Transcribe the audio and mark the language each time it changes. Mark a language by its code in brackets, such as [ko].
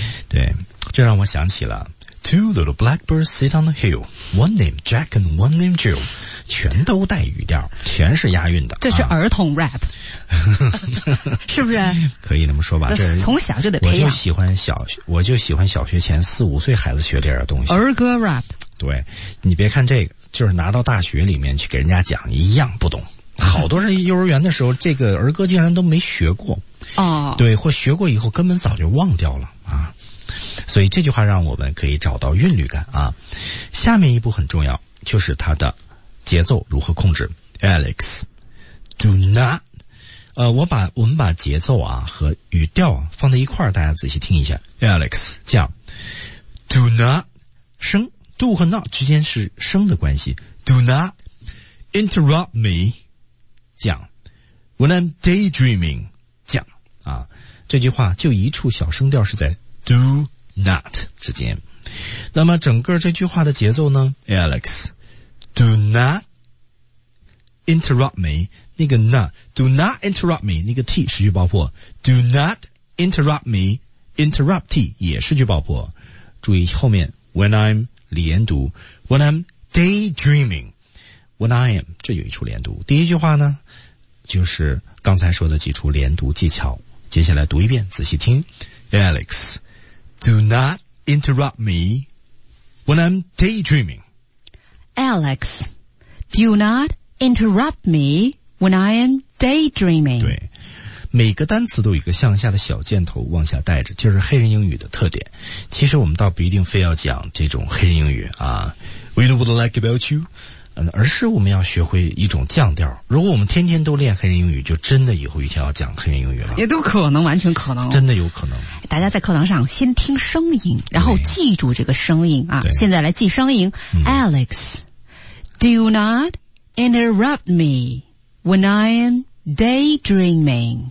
[zh] 对，这让我想起了 [en] Two little blackbirds sit on the hill, one named Jack and one named Jill. [zh] 全都带语调，全是押韵的。这是儿童 rap，、是不是？可以那么说吧，这从小就得培养。我就喜欢小学前四五岁孩子学这点东西。儿歌 rap。对，你别看这个，就是拿到大学里面去给人家讲，一样不懂。好多人幼儿园的时候这个儿歌竟然都没学过、对，或学过以后根本早就忘掉了啊。所以这句话让我们可以找到韵律感啊。下面一步很重要，就是它的节奏如何控制。 Alex, [en] do not [zh] 我们把节奏啊和语调啊放在一块儿，大家仔细听一下。 Alex 这样 do not 声 do 和 not 之间是声的关系。 [en] do not interrupt me [zh] 讲 ， [en] When I'm daydreaming， [zh] 讲啊，这句话就一处小声调是在 do not 之间。那么整个这句话的节奏呢 [en] ？Alex， do not interrupt me， 那个 not， do not interrupt me， 那个 t [zh] 是句爆破 [en] ，do not interrupt me， interrupt t 也是句爆破。 [zh] 注意后面 [en] When I'm [zh] 连读 [en] ，When I'm daydreaming。 When I am, [zh] 这有一处连读。第一句话呢，就是刚才说的几处连读技巧。接下来读一遍，仔细听。 [en] Alex, do not interrupt me when I'm daydreaming. Alex, do not interrupt me when I am daydreaming. [zh] 对，每个单词都有一个向下的小箭头往下带着，就是黑人英语的特点。其实我们倒不一定非要讲这种黑人英语啊。 [en] We know what I like about you. [zh] 而是我们要学会一种降调。如果我们天天都练黑人英语，就真的以后一天要讲黑人英语了，也都可能，完全可能，真的有可能。大家在课堂上先听声音，然后记住这个声音啊。现在来记声音、 [en] Alex, do not interrupt me when I am daydreaming.